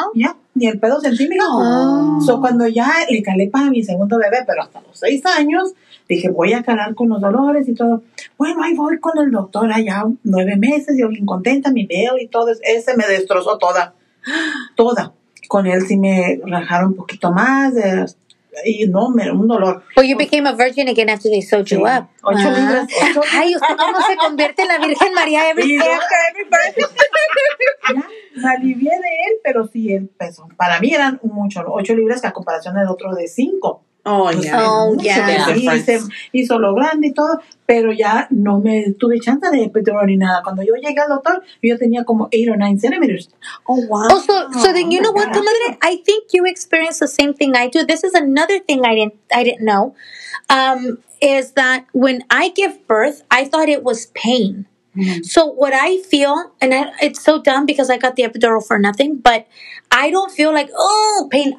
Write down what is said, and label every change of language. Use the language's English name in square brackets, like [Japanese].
[Spanish] Ya, ni el pedo sentí, mi hijo. So, cuando ya le calé para mi segundo bebé, pero hasta los 6 años, dije, voy a calar con los dolores y todo. Bueno, ahí voy con el doctor allá 9 meses, yo bien contenta, mi bebé y todo. Ese me destrozó toda. Toda. Con él sí me rajaron un poquito más de... Y no, un dolor. [English] Well, you became a virgin again after they sewed you up. [Spanish] 8 libras. Ay, usted cómo se convierte en la Virgen María [English] every day. [Spanish] Alivié de él, pero sí el peso. Para mí eran mucho, 8 libras que a comparación del otro de 5. [English] Oh, yeah. [Spanish] Hizo lo grande y todo, pero ya no me tuve chance de epidural ni nada. Cuando yo llegué al doctor, yo tenía como 8 [English] or 9 centimeters. Oh, wow. Oh, so then you know what, comadre? I think you experienced the same thing I do. This is another thing I didn't know, is that when I give birth, I thought it was pain. So what I feel, and it's so dumb because I got the epidural for nothing, but I don't feel like, oh, pain.